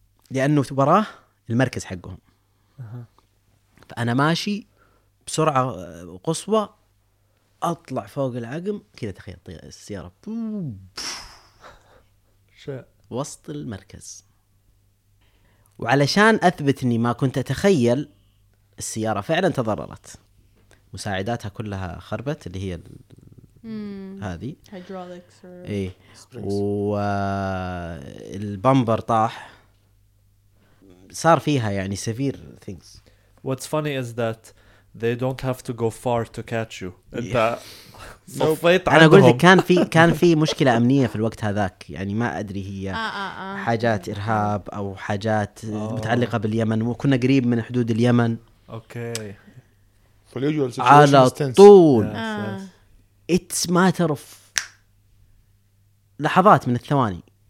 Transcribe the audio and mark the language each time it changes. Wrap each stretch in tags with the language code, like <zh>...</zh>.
<ar>لانه وراه المركز حقهم فانا ماشي بسرعه قصوى اطلع فوق العقم كذا تخيل السياره وسط المركز وعلشان اثبت اني ما كنت اتخيل السياره فعلا تضررت مساعداتها كلها خربت اللي هي هذه هيدروليكس ايه والبامبر طاح صار فيها يعني</ar> <en>Several things. What's funny is that they don't have to go far to catch you.</en> <ar>صفيت انا قلت كان في مشكله امنيه في الوقت هذاك يعني ما ادري هي حاجات ارهاب او حاجات متعلقه باليمن وكنا قريب من حدود اليمن اوكي على طول</ar> <en>it's matter of</en> <ar>لحظات من الثواني</ar>